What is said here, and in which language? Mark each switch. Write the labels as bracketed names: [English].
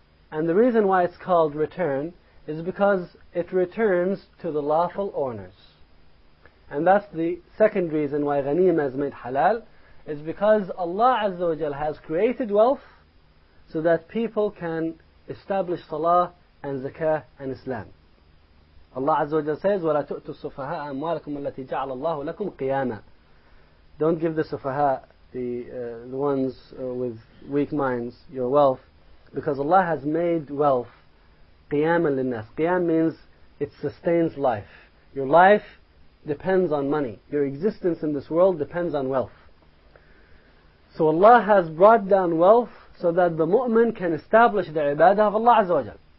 [English] And the reason why it's called return is because it returns to the lawful owners. And that's the second reason why ghanima is made halal, is because Allah Azza wa Jal has created wealth so that people can establish salah and zakah and Islam. [Arabic] Allah Azza wa Jal says, وَلَا تُؤْتُوا السُّفَهَاءَ أَمْوَالَكُمْ الَّتِي جَعَلَ اللَّهُ لَكُمْ قِيَامًا. [English] Don't give the sufaha, the ones with weak minds, your wealth, because Allah has made wealth [Arabic] قِيَامًا لِلنَّاسِ. [English] Qiyam means it sustains life. Your life depends on money. Your existence in this world depends on wealth. So Allah has brought down wealth so that the mu'min can establish the ibadah of Allah Azza wa Jal.